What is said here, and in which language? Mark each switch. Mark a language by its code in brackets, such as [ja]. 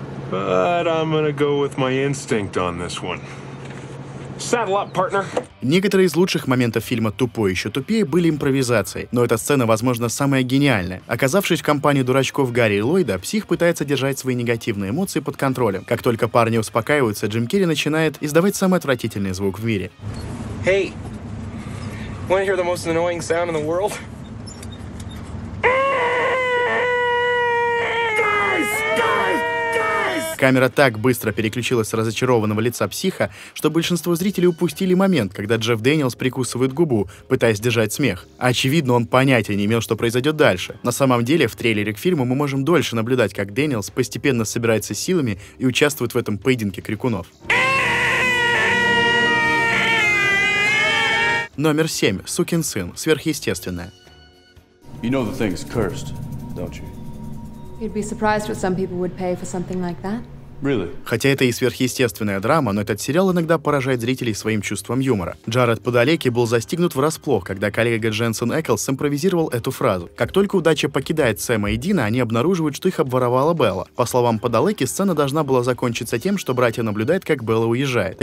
[en] But I'm gonna go with my instinct on this one. Saddle up, partner. [ru] Некоторые из лучших моментов фильма «Тупой еще тупее» были импровизацией, но эта сцена, возможно, самая гениальная. Оказавшись в компании дурачков Гарри и Ллойда, псих пытается держать свои негативные эмоции под контролем. Как только парни успокаиваются, Джим Керри начинает издавать самый отвратительный звук в мире. [en] Hey, wanna hear the most annoying sound in the world? [ru] Камера так быстро переключилась с разочарованного лица психа, что большинство зрителей упустили момент, когда Джефф Дэниелс прикусывает губу, пытаясь сдержать смех. Очевидно, он понятия не имел, что произойдет дальше. На самом деле, в трейлере к фильму мы можем дольше наблюдать, как Дэниелс постепенно собирается силами и участвует в этом поединке крикунов. Номер 7. Сукин сын. Сверхъестественное. [en] You know the thing's cursed, don't you? You'd be surprised what some people would pay for something like that. Really? [ru] Хотя это и сверхъестественная драма, но этот сериал иногда поражает зрителей своим чувством юмора. Джаред Падалеки был застигнут врасплох, когда коллега Дженсен Эклс импровизировал эту фразу. Как только удача покидает Сэма и Дина, они обнаруживают, что их обворовала Белла. По словам Падалеки, сцена должна была закончиться тем, что братья наблюдают, как Белла уезжает.